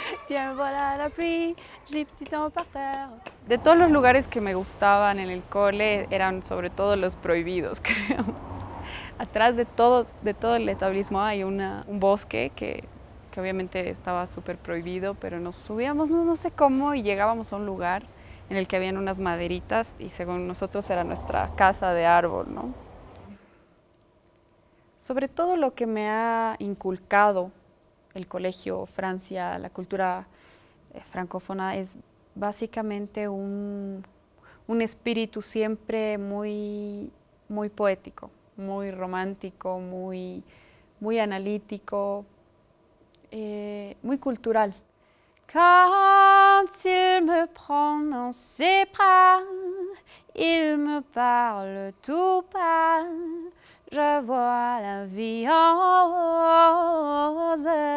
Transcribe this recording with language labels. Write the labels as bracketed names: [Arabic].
[French] Bien voilà la pluie, gypsy tombe par terre. [Spanish] De todos los lugares que me gustaban en el cole, eran sobre todo los prohibidos, creo. Atrás de todo el establishment hay un bosque que obviamente estaba súper prohibido, pero nos subíamos no sé cómo y llegábamos a un lugar en el que habían unas maderitas y según nosotros era nuestra casa de árbol, ¿no? Sobre todo lo que me ha inculcado el colegio, Francia, la cultura francófona, es básicamente un espíritu siempre muy, muy poético, muy romántico, muy, muy analítico, muy cultural. [French] Quand il me prend dans ses bras, il me parle tout bas, je vois la vie en rose.